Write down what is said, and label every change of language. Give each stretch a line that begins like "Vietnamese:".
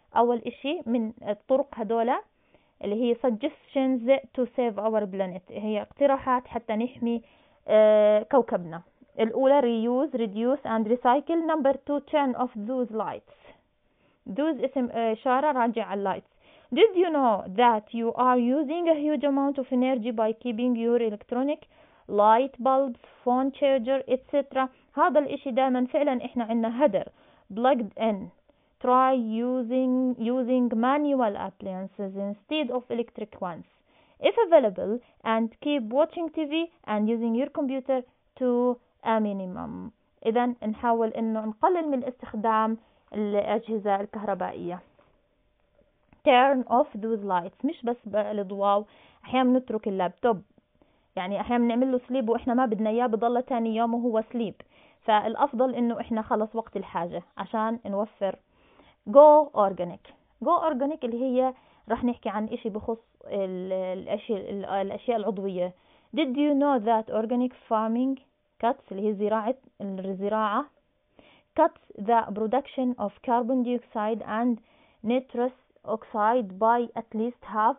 Arabic: أول إشي من الطرق هدولة اللي هي
English: suggestions to save our planet
Arabic: هي اقتراحات حتى نحمي كوكبنا.
English: الأولى reuse, reduce and recycle. Number two turn off those lights. Those
Arabic: اسم إشارة راجع على lights.
English: Did you know that you are using a huge amount of energy by keeping your electronic light bulbs, phone charger, etc.
Arabic: هذا الإشي دائما فعلا إحنا عنا هدر
English: plugged in. Try using manual appliances instead of electric ones if available and keep watching TV and using your computer to a minimum.
Arabic: إذا نحاول إنه نقلل من استخدام الأجهزة الكهربائية.
English: Turn off those lights.
Arabic: مش بس الإضواء. أحيانا نترك اللابتوب يعني أحيانا نعمل له سليب وإحنا ما بدنا إياه بضل تاني يوم وهو سليب. فالأفضل إنه إحنا خلص وقت الحاجة عشان نوفر.
English: Go organic
Arabic: اللي هي رح نحكي عن إشي بخص الأشياء العضوية.
English: Did you know that organic farming cuts
Arabic: اللي هي الزراعة
English: cuts the production of carbon dioxide and nitrous oxide by at least half.